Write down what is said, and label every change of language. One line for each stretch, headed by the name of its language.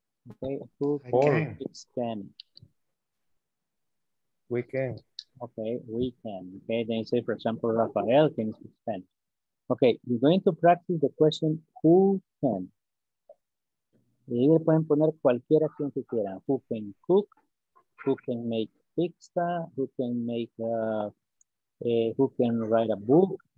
English: Okay, who can speak Spanish? We can. Okay, we can. Okay, then say, for example, Rafael can speak Spanish. Okay, you're going to practice the question, who can?
Spanish: Y ahí le pueden poner cualquiera quien se quiera.
English: Who can cook? Who can make pizza? Who can make, who can write a book?